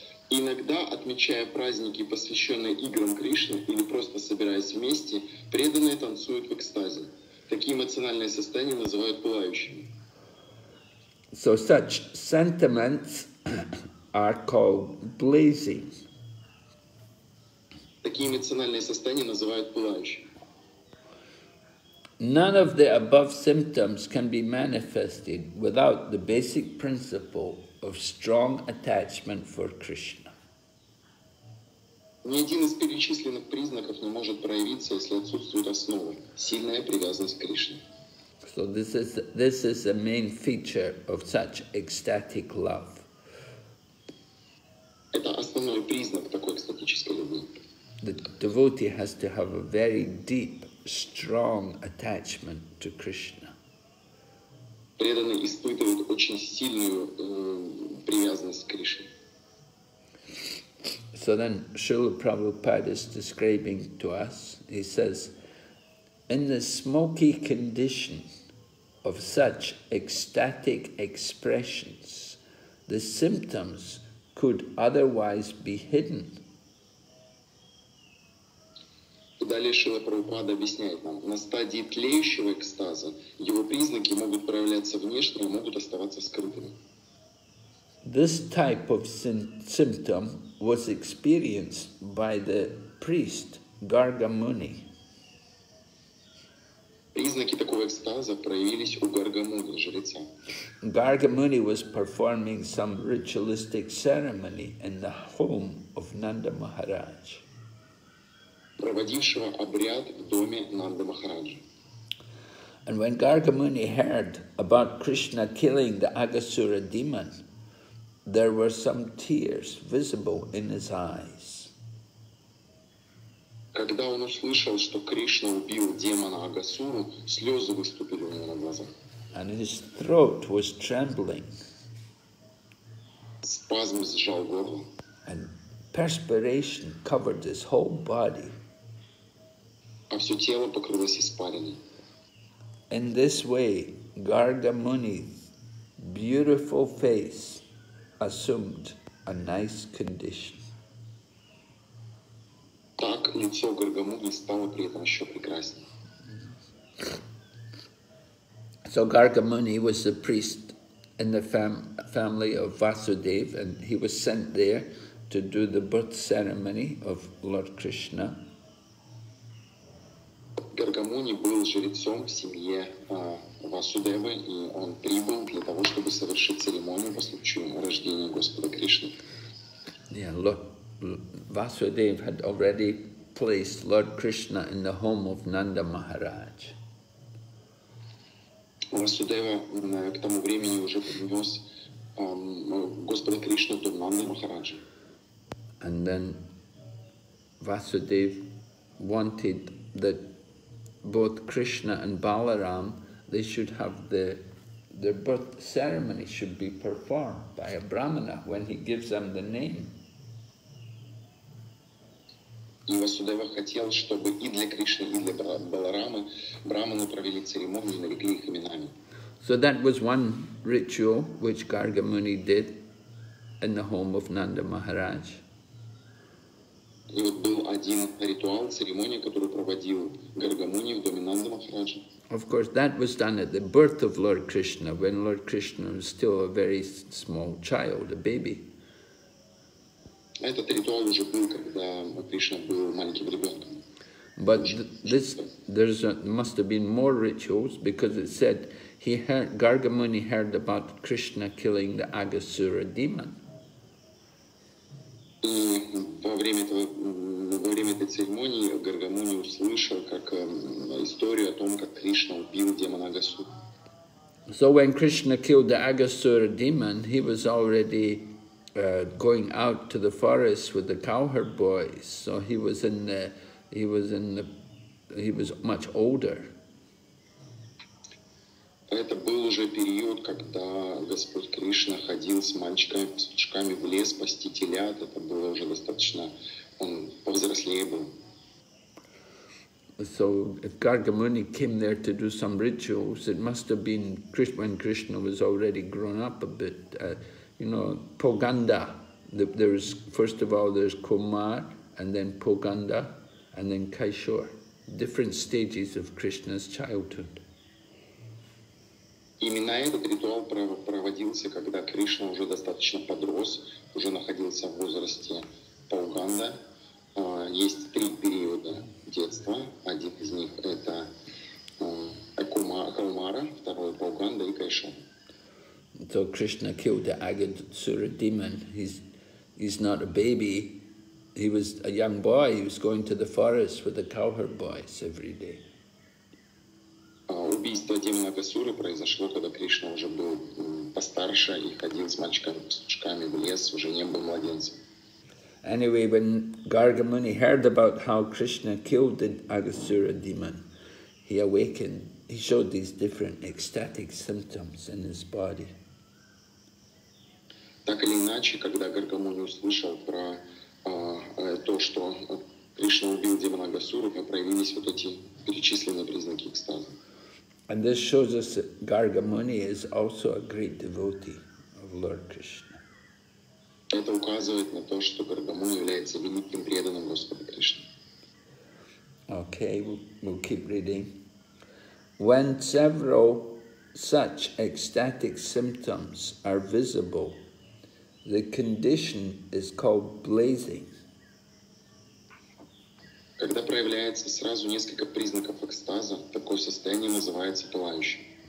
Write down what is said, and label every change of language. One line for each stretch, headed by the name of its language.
Russian: Иногда, отмечая праздники, посвященные играм Кришны, или просто собираясь вместе, преданные танцуют в экстазе. Такие эмоциональные состояния называют пылающими.
English: So such sentiments are called blazing.
Russian: Такие эмоциональные состояния называют пылающими.
English: None of the above symptoms can be manifested without the basic principle of strong attachment for Krishna.
Russian: Ни один из перечисленных признаков не может проявиться, если отсутствует основа – сильная привязанность к Кришне.
English: So this is the main feature of such ecstatic love.
Russian: Это основной признак такой экстатической любви.
English: The devotee has to have a very deep, strong attachment to Krishna.
Russian: Преданный испытывает очень сильную привязанность к Кришне.
English: So then Srila Prabhupada is describing to us, he says, in the smoky condition of such ecstatic expressions, the symptoms could otherwise be hidden.
Russian: Далее Шрила Прабхупада объясняет нам, на стадии тлеющего экстаза его признаки могут проявляться внешне и могут оставаться скрытыми.
English: This type of symptom was experienced by the priest Gargamuni.
Russian: Признаки такого экстаза проявились у Гаргамуни, жреца.
English: Gargamuni was performing some ritualistic ceremony in the home of Nanda Maharaj.
Russian: Проводившего обряд в доме Нанды Махараджи.
English: And when Gargamuni heard about Krishna killing the Agasura demon, there were some tears visible in his eyes.
Russian: Когда он услышал, что Кришна убил демона Агасуру, слезы выступили у него на глазах.
English: And his throat was trembling.
Russian: Спазм сжал горло.
English: And perspiration covered his whole body.
Russian: А все тело покрылось испариной.
English: In this way, Garga Muni's beautiful face assumed a nice condition.
Russian: Так лицо Гаргамуни стало при этом еще прекраснее.
English: So Gargamuni was the priest in the family of Vasudev, and he was sent there to do the birth ceremony of Lord Krishna.
Russian: Gargamuni был жрецом в семье Васудевы, и он прибыл для того, чтобы совершить церемонию по случаю рождения Господа Кришны.
English: Yeah, Vasudev had already placed Lord Krishna in the home of Nanda Maharaj.
Russian: Васудева к тому времени уже принес Господа Кришну до Нанды Махараджи.
English: And then Vasudev wanted that both Krishna and Balaram, they should have their birth ceremony should be performed by a brahmana when he gives them the name.
Russian: И Васудева хотел, чтобы и для Кришны, и для Баларамы брахманы провели церемонию и нарекли их именами.
English: So that was one ritual which Gargamuni did in the home of Nanda Maharaj.
Russian: И вот был один ритуал, церемония, которую проводил Гаргамуни в доме Нанда Махараджа.
English: Of course, that was done at the birth of Lord Krishna, when Lord Krishna was still a very small child, a baby.
Russian: Этот ритуал уже был, когда Кришна был маленьким ребенком.
English: But this, there's must have been more rituals, because it said he heard, Gargamuni heard about Krishna killing the Agasura demon.
Russian: И во время этой церемонии Гаргамуни услышал как историю о том, как Кришна убил демона Агасуру.
English: So when Krishna killed the Agasura demon, he was already going out to the forest with the cowherd boys, so he was much older.
Russian: Это был уже период, когда Господь Кришна ходил с мальчиками, с птичками в лес пасти телят. Это было уже достаточно, он повзрослее был.
English: So if Gargamuni came there to do some rituals, it must have been when Krishna was already grown up a bit. You know, Poganda, there's, first of all, there's Kumar, and then Poganda, and then Kaishor, different stages of Krishna's childhood.
Russian: Именно этот ритуал проводился, когда Кришна уже достаточно подрос, уже находился в возрасте Поганда. Есть три периода детства. Один из них — это Кумара, второй — Поганда и Кайшор.
English: So Krishna killed the Agasura demon. He's not a baby. He was a young boy. He was going to the forest with the cowherd boys every day.
Russian: Убийство демона Агасуры произошло, когда Кришна уже был постарше и ходил с мальчиками в лес, уже не был младенцем.
English: Anyway, when Gargamuni heard about how Krishna killed the Agasura demon, he awakened. He showed these different ecstatic symptoms in his body.
Russian: Так или иначе, когда Гаргамуни услышал про то, что Кришна убил демона Агасуру, проявились вот эти перечисленные признаки экстаза.
English: And this shows us that Gargamuni is also a great devotee of Lord Krishna.
Russian: Это указывает на то, что Гаргамуни является великим преданным Господа Кришны.
English: Okay, we'll keep reading. When several such ecstatic symptoms are visible, the condition is called blazing.
Russian: Когда проявляется сразу несколько признаков экстаза, такое состояние называется пылающим.